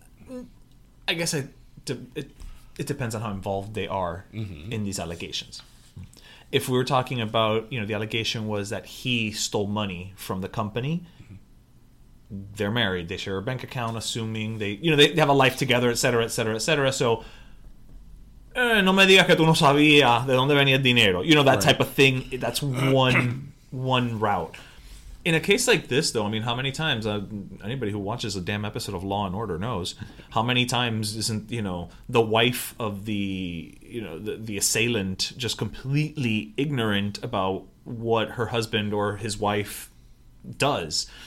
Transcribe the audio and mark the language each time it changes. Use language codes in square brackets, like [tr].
[en] Right. I guess it depends on how involved they are in these allegations. If we were talking about, you know, the allegation was that he stole money from the company, they're married. They share a bank account, assuming they, you know, they have a life together, et cetera, et cetera, et cetera. [es] So, no me digas que tú no sabías de dónde venía el dinero. [en] You know, that type of thing. That's one route. In a case like this, though, I mean, how many times, anybody who watches a damn episode of Law and Order knows, how many times isn't, you know, the wife of the, you know, the assailant just completely ignorant about what her husband or his wife does?